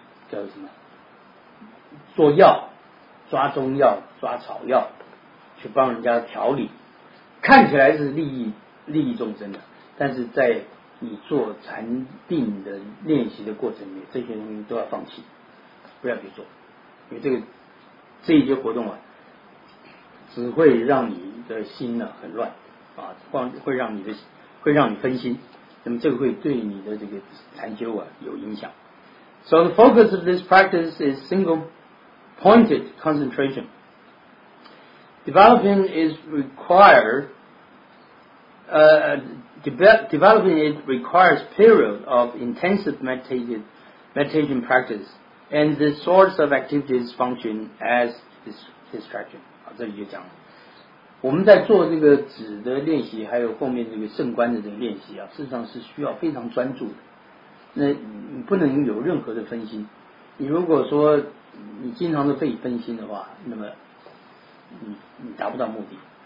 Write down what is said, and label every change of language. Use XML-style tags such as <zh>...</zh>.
<zh>叫什么做药，抓中药抓草药去帮人家调理，看起来是利益众生的，但是在你做禅定的练习的过程里面，这些东西都要放弃，不要去做，因为这些活动啊只会让你的心呢很乱啊，会让你分心，那么这个会对你的这个禅修啊有影响。</zh> <en>So the focus of this practice is single-pointed concentration. Developing it requires period of intensive meditation practice, and the source of activities function as distraction.</en> <zh>好，这里就讲了，我们在做这个止的练习，还有后面这个圣观的这个练习啊，事实上是需要非常专注的。那你不能有任何的分心。你如果说你经常的被分心的话，那么你达不到目的。</zh>